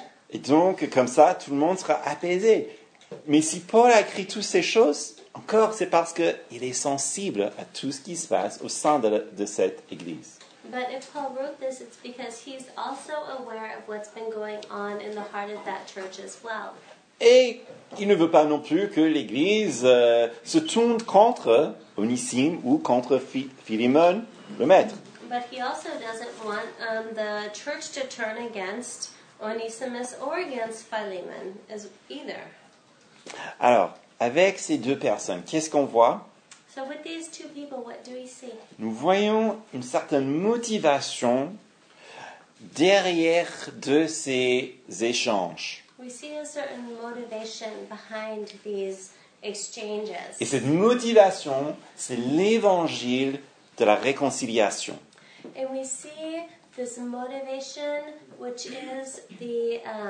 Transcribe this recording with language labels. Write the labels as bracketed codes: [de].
[fr] Et donc, comme ça, tout le monde sera apaisé. Mais si Paul a écrit toutes ces choses, encore, c'est parce qu'il est sensible à tout ce qui se passe au sein de cette église. [en] But if Paul wrote this, it's because he's also aware of what's been going on in the heart of that church as well. [fr] Et il ne veut pas non plus que l'Église se tourne contre Onésime ou contre Philémon, le maître. [en] But he also doesn't want the church to turn against Onesimus or against Philemon as either. [fr] Alors, avec ces deux personnes, qu'est-ce qu'on voit? [en] So with these two people, what do we see? [fr] Nous voyons une certaine motivation derrière de ces échanges. [en] We see a certain motivation behind these exchanges. [fr] Et cette motivation, c'est l'évangile de la réconciliation. [en] And we see this motivation, which is the...